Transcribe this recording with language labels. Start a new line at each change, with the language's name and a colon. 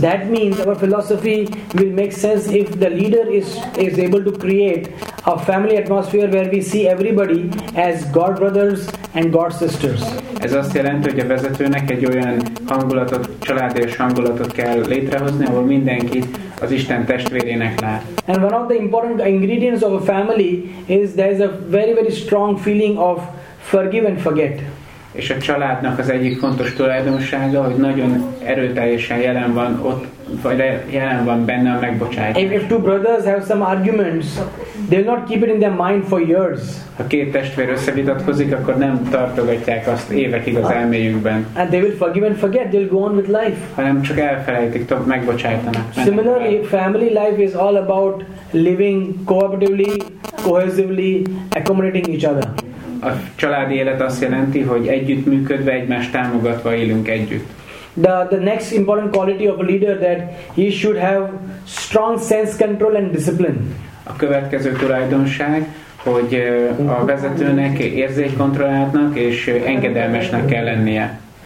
English: That means our philosophy will make sense if the leader is able to create a family atmosphere where we see everybody as God brothers and God sisters.
Hungarian: Ez azt jelenti, hogy a vezetőnek egy olyan hangulatot, családias hangulatot kell létrehozni, ahol mindenki az Isten testvérének lát.
English: And one of the important ingredients of a family is there is a very very strong feeling of forgive and forget.
Hungarian: És a családnak az egyik fontos tulajdonsága, hogy nagyon erőteljesen jelen van ott, vagy jelen van benne a megbocsátás.
English: If two brothers have some arguments, they will not keep it in their mind for years.
Hungarian: Ha két testvér összevitatkozik, akkor nem tartogatják azt évekig az elméjükben.
English: And they will forgive and forget, they will go on with life.
Hungarian: Hanem csak elfelejtik, megbocsájtanak.
English: Similarly, family life is all about living cooperatively, cohesively, accommodating each other.
Hungarian: A családi élet azt jelenti, hogy együttműködve, egymást támogatva élünk együtt.
English: The next important quality of a leader that he should have strong sense control and discipline.
Hungarian: A következő tulajdonság, hogy a vezetőnek érzékkontrolláltnak és engedelmesnek kell lennie.